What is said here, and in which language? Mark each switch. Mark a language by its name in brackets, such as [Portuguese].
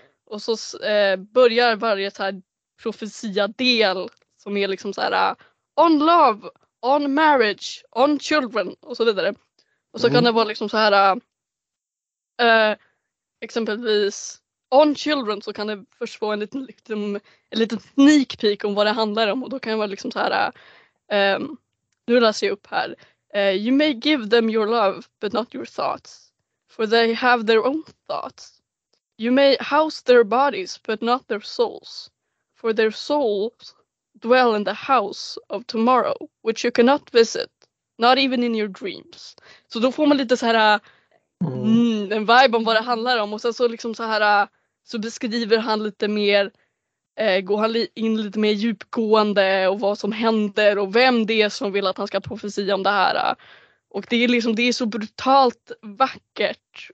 [Swedish] Och så börjar varje så här profetia del som är liksom så här [English] on love, on marriage, on children [Swedish] och så vidare. Och så kan det vara liksom så här exempelvis [English] on children, [Swedish] så kan det först få en liten sneak peek om vad det handlar om. Och då kan det vara liksom så här, nu läser jag upp här. [English] You may give them your love, but not your thoughts, for they have their own thoughts. You may house their bodies, but not their souls, for their souls dwell in the house of tomorrow, which you cannot visit, not even in your dreams. [Swedish] Så då får man lite så här en vibe om vad det handlar om. Och sen så liksom så här, så beskriver han lite mer, går han in lite mer djupgående och vad som händer och vem det är som vill att han ska profetia om det här. Och det är liksom, det är så brutalt vackert.